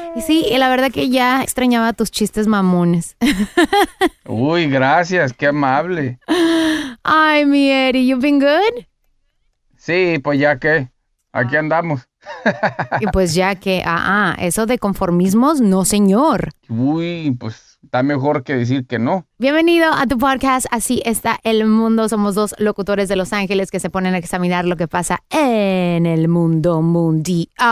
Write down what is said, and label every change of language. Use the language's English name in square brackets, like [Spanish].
[Spanish] Sí, y la verdad que ya extrañaba tus chistes mamones. Uy, gracias, qué amable. Ay, mi Eri, [English] you've been good? [Spanish] Sí, pues ya que, aquí andamos. Y pues ya que, eso de conformismos, no señor. Uy, pues está mejor que decir que no. Bienvenido a tu podcast, Así Está el Mundo. Somos dos locutores de Los Ángeles que se ponen a examinar lo que pasa en el mundo mundial.